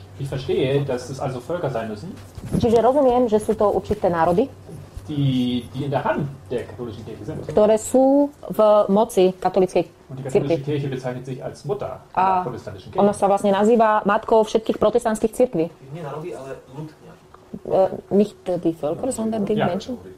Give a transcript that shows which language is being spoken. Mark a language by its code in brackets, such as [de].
[de] Ich verstehe, dass es also Völker sein müssen. [sk] Čiže rozumiem, že sú to určité národy. [de] Die in der Hand der katholischen Kirche sind. [sk] Ktoré sú v moci katolíckej cirkvi. [de] Und die katholische Kirche bezeichnet sich als Mutter der protestantischen Kirche. [sk] Ona sa vlastne nazýva matkou všetkých protestantských cirkví. Nie národy, ale ľud. [de] Nicht die Völker, sondern die Menschen.